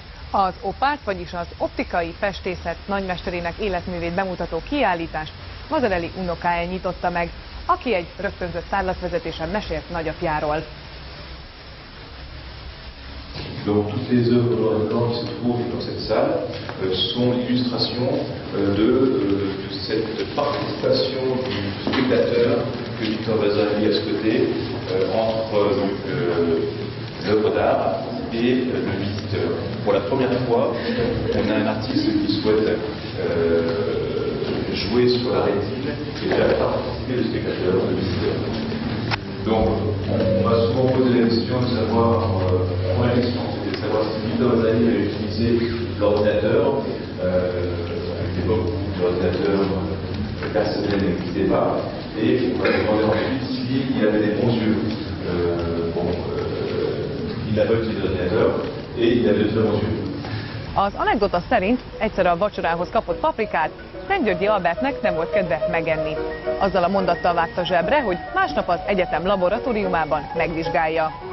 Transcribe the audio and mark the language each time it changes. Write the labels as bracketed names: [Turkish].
[Hungarian] Az opárt, vagyis az optikai festészet nagymesterének életművét bemutató kiállítás Vasarely unokája nyitotta meg, aki egy rögtönzött szállatvezetésen mesélt nagyapjáról. [French] Donc toutes les œuvres d'art qui se trouvent dans cette salle sont l'illustration de cette participation du spectateur que Victor Vasarely a souhaité entre l'œuvre d'art et le visiteur. Pour la première fois, on a un artiste qui souhaite jouer sur la rétine et faire participer le spectateur, le visiteur. Donc, on va souvent poser la question de savoir, si Victor Vasarely avait utilisé l'ordinateur, à l'époque où l'ordinateur personnel n'existait pas, et on va demander ensuite s'il avait des bons yeux. Il n'a pas utilisé l'ordinateur. [Hungarian] Az anekdota szerint egyszer a vacsorához kapott paprikát Szent Györgyi Albertnek nem volt kedve megenni. Azzal a mondattal vágta zsebre, hogy másnap az egyetem laboratóriumában megvizsgálja.